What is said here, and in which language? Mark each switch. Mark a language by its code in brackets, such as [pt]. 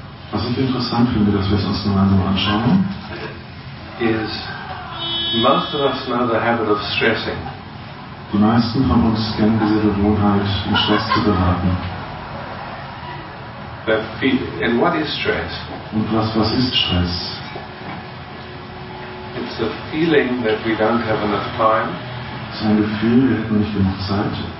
[de] Was ich interessant finde, dass wir es uns gemeinsam anschauen, [en] is most of us know the habit of stressing. [de] Die meisten von uns kennen diese Gewohnheit, in Stress zu geraten. [en] And what is stress? [de] Und was ist Stress? [en] It's a feeling that we don't have enough time. [de] Es ist ein Gefühl, wir hätten nicht genug Zeit.